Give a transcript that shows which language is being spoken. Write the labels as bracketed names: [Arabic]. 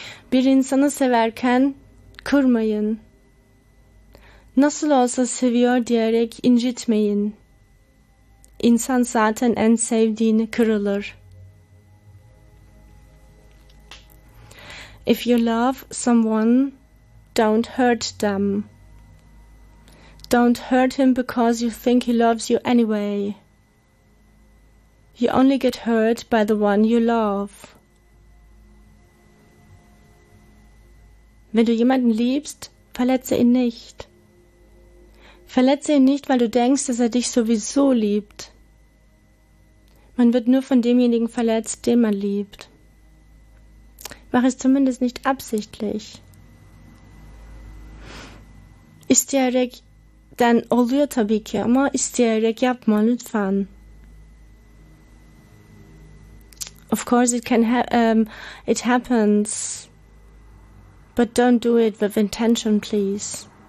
[Turkish] Bir insanı severken kırmayın. Nasıl olsa seviyor diyerek incitmeyin. İnsan zaten en sevdiğini kırılır. [English] If you love someone, don't hurt them. Don't hurt him because you think he loves you anyway. You only get hurt by the one you love. [German] Wenn du jemanden liebst, verletze ihn nicht. Verletze ihn nicht, weil du denkst, dass er dich sowieso liebt. Man wird nur von demjenigen verletzt, den man liebt. Mach es zumindest nicht absichtlich. [Turkish] İsteyerek, dann oluyor tabii ki ama isteyerek yapma lütfen. [English] Of course it can it happens, but don't do it with intention, please.